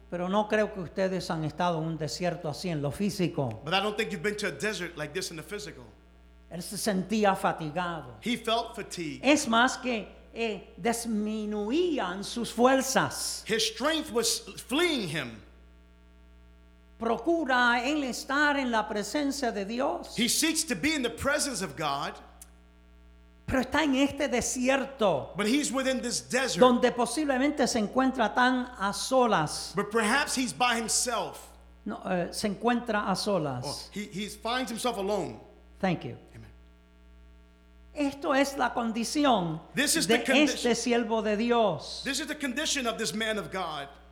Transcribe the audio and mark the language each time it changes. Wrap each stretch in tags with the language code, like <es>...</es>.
<es>Pero no creo que ustedes han estado en un desierto así en lo físico.</es> <en>But I don't think you've been to a desert like this in the physical.</en> <es>Él se sentía fatigado.</es> <en>He felt fatigued.</en> <es>Es más que disminuían sus fuerzas.</es> <en>His strength was fleeing him.</en> <es>Procura él estar en la presencia de Dios.</es> <en>He seeks to be in the presence of God.</en> <es>Pero está en este desierto.</es> <en>But he's within this desert.</en> <es>Donde posiblemente se encuentra tan a solas.</es> <en>But perhaps he's by himself.</en> <es>No, se encuentra a solas.</es> <en>Oh, he finds himself alone. Thank you.</en> <es>Esto es la condición de este siervo de Dios.</es> <en>This is the condition of this man of God.</en>